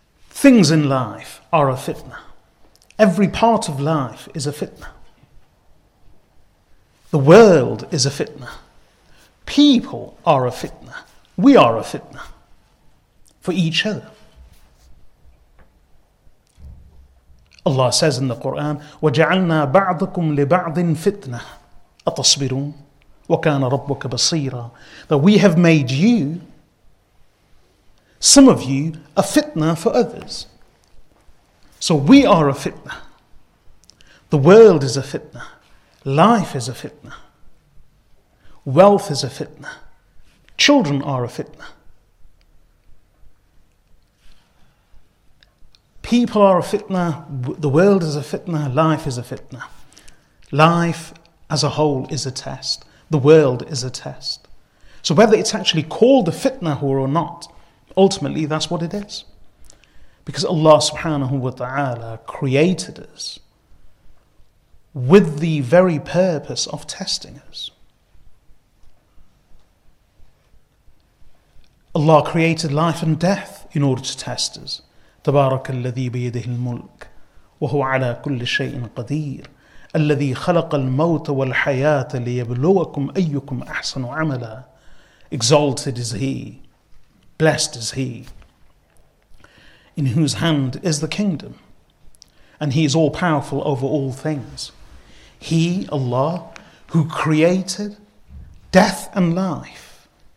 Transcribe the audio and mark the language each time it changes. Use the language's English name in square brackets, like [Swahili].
[English] Things in life are a fitna. Every part of life is a fitna. The world is a fitna. People are a fitna. We are a fitna for each other. Allah says in the Quran, [Arabic] وَجَعَلْنَا بَعْضَكُمْ لِبَعْضٍ فِتْنَةً أَتَصْبِرُونَ وَكَانَ رَبُّكَ بَصِيرًا. [English] That we have made you, some of you, a fitna for others. So we are a fitna. The world is a fitna. Life is a fitna. Wealth is a fitna. Children are a fitna. People are a fitna. The world is a fitna. Life is a fitna. Life as a whole is a test. The world is a test. So whether it's actually called a fitna or not, ultimately that's what it is. Because Allah subhanahu wa ta'ala created us with the very purpose of testing us. Allah created life and death in order to test us. [Arabic] تبارك الذي بيده الملك وهو على كل شيء قدير الذي خلق الموت والحياة ليبلوكم أيكم أحسن عملا. [English] Exalted is he, blessed is he, in whose hand is the kingdom, and he is all powerful over all things. He, Allah, who created death and life.